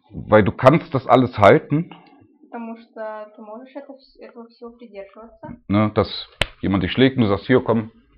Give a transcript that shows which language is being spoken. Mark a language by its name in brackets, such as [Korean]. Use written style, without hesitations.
[German] Weil du kannst das alles halten. [Russian] Потому что ты можешь этого всего придерживаться. [German] Ne, dass jemand dich schlägt und du sagst, hier, komm.